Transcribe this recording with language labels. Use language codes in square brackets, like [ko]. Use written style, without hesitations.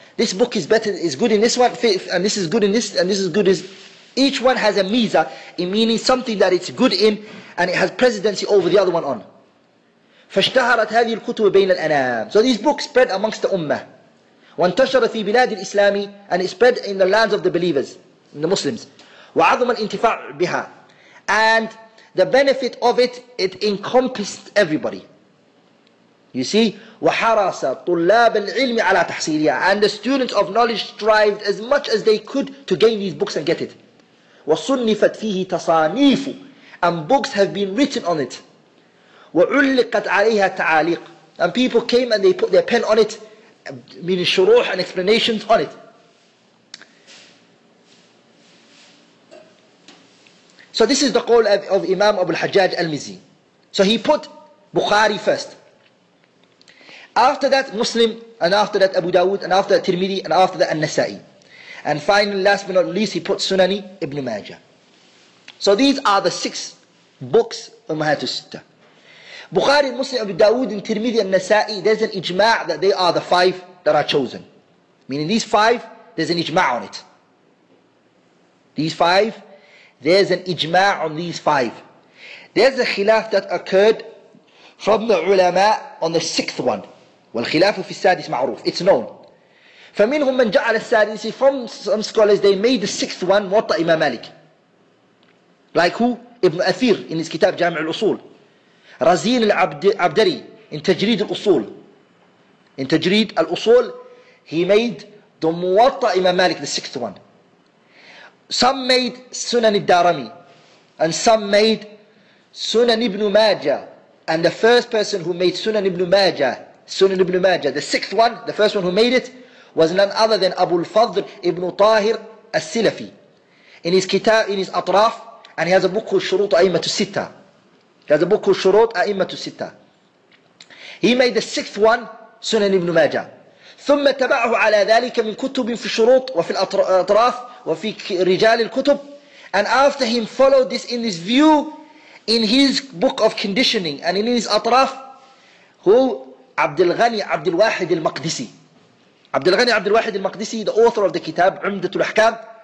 [en] this book is better, is good in this one, and this is good in this, and this is good in this. Each one has a miza, meaning something that it's good in, and it has precedency over the other one on. [ar] فاشتهرت هذه الكتب بين الأنام. [en] So these books spread amongst the ummah. [ar] وانتشر في بلاد الإسلام, [en] and it spread in the lands of the believers, in the Muslims. [ar] وعظم الانتفاع بها. [en] And the benefit of it, it encompassed everybody. You see, [ar] وحرس طلاب العلم على تحصيلها. [en] And the students of knowledge strived as much as they could to gain these books and get it. [ar] وصنفت فيه تصانيف. [en] And books have been written on it. [ar] وعلقت عليها تعاليق. [en] And people came and they put their pen on it, meaning شروح and explanations on it. So this is the call of Imam Abu al-Hajjaj al-Mizzi. So he put Bukhari first. After that, Muslim, and after that, Abu Dawud, and after that, Tirmidhi, and after that, An-Nasa'i. And finally, last but not least, he put Sunani Ibn Majah. So these are the six books of Mahatul Sittah. Bukhari, Muslim, Abu Dawud, and Tirmidhi, and Nasa'i, there's an ijma' that they are the five that are chosen. Meaning these five, there's an ijma' on it. These five, there's an ijma' on these five. There's a khilaf that occurred from the ulama on the sixth one. [ar] والخلاف في السادس معروف. [en] It's known. [ar] فمنهم من جعل السادس. [en] From some scholars, they made the sixth one موطا إمام مالك. Like who? Ibn Athir in his kitab جامع الأصول. [ar] رزين العبدري in تجريد الأصول. [en] In تجريد الأصول, he made the موطا إمام مالك, the sixth one. Some made سنن الدارمي, and some made سنن ابن ماجه. And the first person who made سنن ابن ماجه, Sunan ibn Majah, the sixth one, the first one who made it, was none other than Abu al-Fadl ibn Tahir al-Silafi. In his kitab, in his Atraf, and he has a book called Shurut A'immatu Sitta. He has a book called Shurut A'immatu Sitta. He made the sixth one, Sunan ibn Majah. [ar] ثم تبعه على ذلك من كتب في الشروط وفي الأطراف وفي رجال الكتب. [en] And after him followed this in his view, in his book of conditioning, and in his Atraf, who? [ar] عبد الغني عبد الواحد المقدسي. عبد الغني عبد الواحد المقدسي, [en] the author of the kitab [ar] عمدة الأحكام.